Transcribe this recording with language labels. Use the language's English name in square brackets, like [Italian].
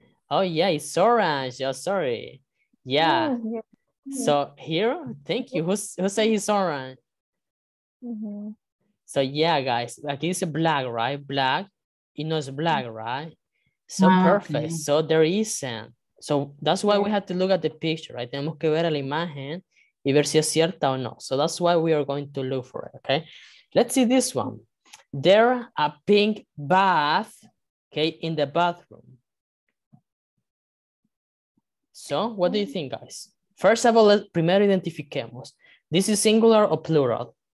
[English] Oh, yeah, it's orange. Oh, sorry. Yeah. So here, thank you. Who say it's orange? So yeah, guys, like it's black, right? Black, you know, it's black, right? So perfect. Okay. So there isn't. So that's why we have to look at the picture, right? [Spanish] Tenemos que ver a la imagen y ver si es cierta o no. [English] So that's why we are going to look for it, okay? Let's see this one. There a pink bath, okay, in the bathroom. So what do you think, guys? First of all, let's [Spanish] primero identifiquemos. [English] This is singular or plural?